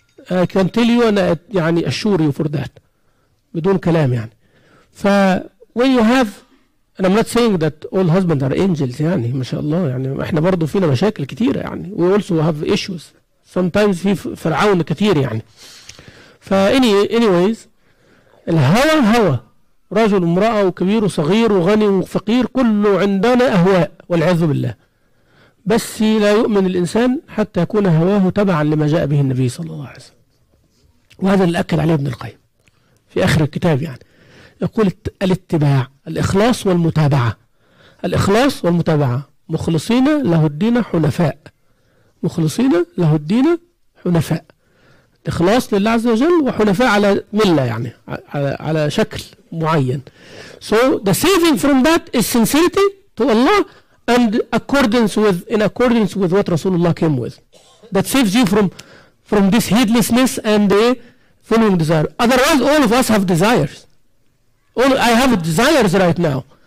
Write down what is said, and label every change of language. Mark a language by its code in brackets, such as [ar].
[en] I can tell you and I يعني assure you for that. [ar] بدون كلام يعني. ف [en] when you have, and I'm not saying that all husbands are angels [ar] يعني ما شاء الله يعني، احنا برضو فينا مشاكل كتيرة يعني. [en] We also have issues. [ar] Sometimes في فرعون كتير يعني. ف anyways, الهوى هوى. رجل امرأة وكبير وصغير وغني وفقير كله عندنا أهواء والعياذ بالله، بس لا يؤمن الإنسان حتى يكون هواه تبعا لما جاء به النبي صلى الله عليه وسلم. وهذا اللي أكد عليه ابن القيم في آخر الكتاب يعني، يقول الاتباع الإخلاص والمتابعة، الإخلاص والمتابعة، مخلصين له الدين حنفاء، مخلصين له الدين حنفاء، إخلاص لله عز وجل وحنفاء على ملة يعني على شكل معين. [en] So the saving from that is sincerity to Allah and in accordance with what Rasulullah came with. That saves you from this heedlessness and the following desire. Otherwise, all of us have desires. I have desires right now.